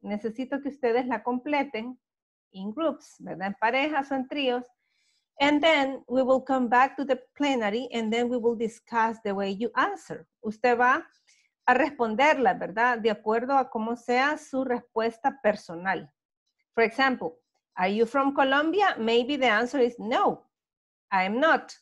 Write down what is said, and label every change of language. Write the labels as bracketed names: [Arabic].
[Spanish] Necesito que ustedes la completen [English] in groups, [Spanish] ¿verdad? En parejas o en tríos. [English] And then we will come back to the plenary and then we will discuss the way you answer. [Spanish] Usted va a responderla, ¿verdad? De acuerdo a cómo sea su respuesta personal. [English] For example, are you from Colombia? Maybe the answer is no, I am not.